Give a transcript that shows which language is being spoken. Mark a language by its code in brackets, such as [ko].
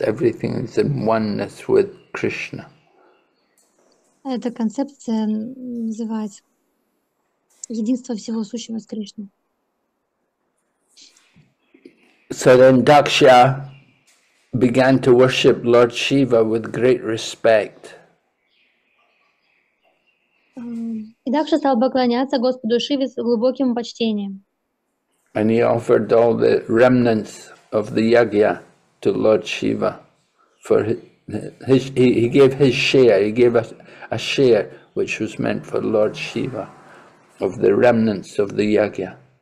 [en] Everything is in oneness with Krishna. [ru] Эта концепция называется единство всего сущего с Кришной. [en] So then Daksha began to worship Lord Shiva with great respect. [ru] И дальше стал поклоняться Господу Шиве с глубоким почтением. [en] And he offered all the remnants of the yajna to Lord Shiva for his he gave his share, he gave a share which was meant for Lord Shiva of the remnants of the yajna.